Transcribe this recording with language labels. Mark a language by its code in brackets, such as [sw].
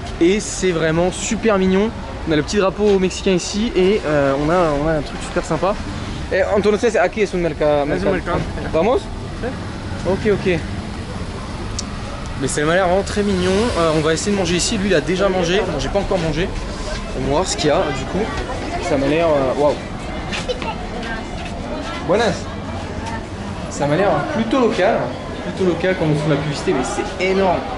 [fr] Et c'est vraiment super mignon. On a le petit drapeau mexicain ici et on a un truc super sympa. [es] Et entonces, aquí es un mercado. Vamos? Ok, ok. [fr] Mais ça m'a l'air vraiment très mignon. On va essayer de manger ici. Lui, il a déjà mangé. Non, j'ai pas encore mangé. On va voir ce qu'il y a du coup. Ça m'a l'air. Waouh! [es] Buenas! [fr] Ça m'a l'air plutôt local quand on se fait la publicité, mais c'est énorme.